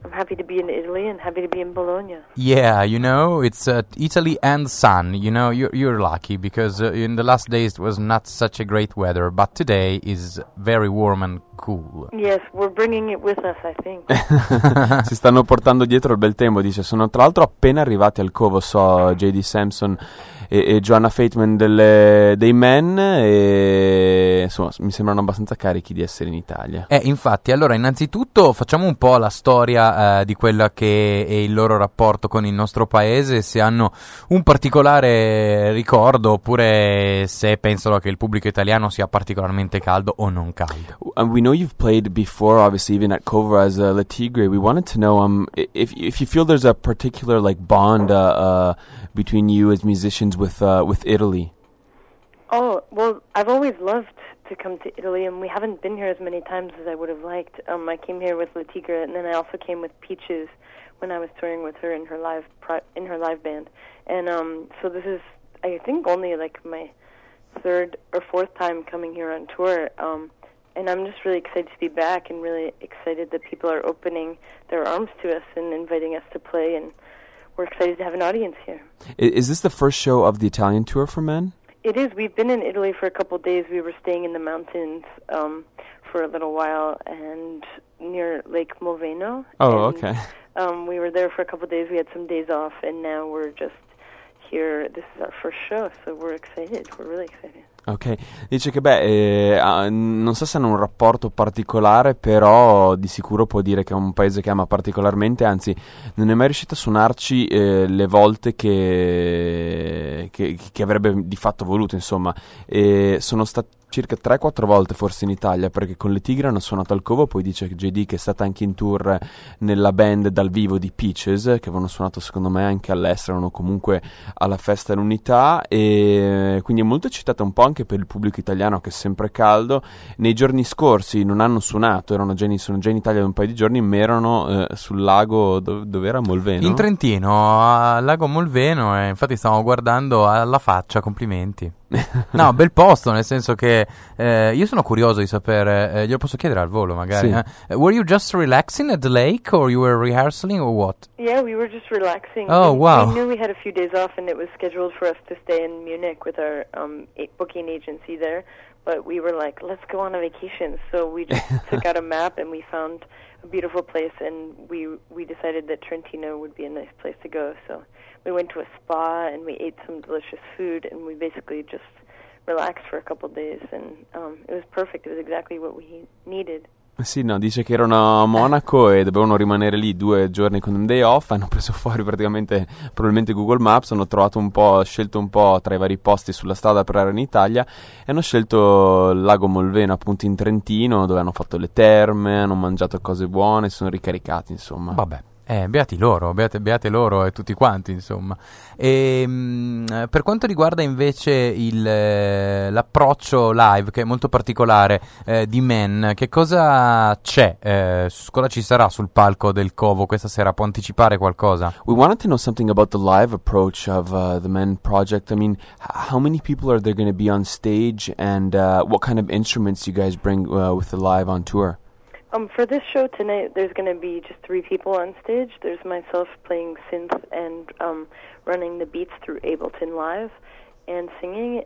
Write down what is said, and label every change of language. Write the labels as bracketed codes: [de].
[en] I'm happy to be in Italy and happy to be in Bologna. Yeah, you know, it's Italy and sun. You know, you're lucky because in the last days it was not such a great weather, but today is very warm and cool. Yes, we're bringing it with us, I think. [it] Si stanno portando dietro il bel tempo, dice. Sono tra l'altro appena arrivati al covo, so, J.D. Samson e Joanna Fateman dei Men, e insomma mi sembrano abbastanza carichi di essere in Italia. Infatti, allora, innanzitutto facciamo un po' la storia di quella che è il loro rapporto con il nostro paese, se hanno un particolare ricordo oppure se pensano che il pubblico italiano sia particolarmente caldo o non caldo. [en] We know you've played before, obviously, even at Cover as La Tigre. We wanted to know if you feel there's a particular like bond between you as musician with Italy. Oh, well, I've always loved to come to Italy, and we haven't been here as many times as I would have liked. I came here with La Tigre, and then I also came with Peaches when I was touring with her in her live band. And so this is, I think, only like my third or fourth time coming here on tour. And I'm just really excited to be back and really excited that people are opening their arms to us and inviting us to play, and we're excited to have an audience here. Is this the first show of the Italian tour for Men? It is. We've been in Italy for a couple of days. We were staying in the mountains for a little while and near Lake Moveno. Oh, okay. We were there for a couple of days. We had some days off, and now we're just here. This is our first show, so we're excited. We're really excited. [it] Ok, dice che beh, non so se hanno un rapporto particolare, però di sicuro può dire che è un paese che ama particolarmente, anzi non è mai riuscito a suonarci le volte che avrebbe di fatto voluto, insomma. E sono stati circa 3-4 volte forse in Italia, perché con Le Tigre hanno suonato al covo, poi dice JD che è stata anche in tour nella band dal vivo di Peaches, che avevano suonato secondo me anche all'estero o comunque alla Festa dell'Unità, e quindi è molto eccitata un po' anche per il pubblico italiano che è sempre caldo. Nei giorni scorsi non hanno suonato, sono già in Italia da un paio di giorni, ma erano sul lago, dove era? Molveno? In Trentino, al lago Molveno, e infatti stavo guardando alla faccia, complimenti. No, bel posto, nel senso che io sono curioso di sapere, glielo posso chiedere al volo magari. Sì. [en] Were you just relaxing at the lake, or you were rehearsing, or what? Yeah, we were just relaxing. Oh, wow. We knew we had a few days off, and it was scheduled for us to stay in Munich with our booking agency there, but we were like, let's go on a vacation, so we just took out a map, and we found a beautiful place, and we decided that Trentino would be a nice place to go, so we went to a spa and we ate some delicious food and we basically just relaxed for a couple of days and it was perfect. It was exactly what we needed. [it] Sì, no, dice che erano a Monaco e dovevano rimanere lì 2 giorni con un day off. Hanno preso fuori praticamente, probabilmente, Google Maps. Hanno trovato un po', scelto un po' tra i vari posti sulla strada per andare in Italia, e hanno scelto il lago Molveno, appunto in Trentino, dove hanno fatto le terme, hanno mangiato cose buone, sono ricaricati, insomma. Vabbè. Beati loro, beate loro e tutti quanti, insomma. E, per quanto riguarda invece l'approccio live, che è molto particolare, di Men, che cosa c'è? Cosa ci sarà sul palco del Covo questa sera? Può anticipare qualcosa? [en] We wanted to know something about the live approach of the Men project. I mean, how many people are there going to be on stage, and what kind of instruments you guys bring with the live on tour? For this show tonight, there's going to be just 3 people on stage. There's myself playing synth and running the beats through Ableton Live and singing.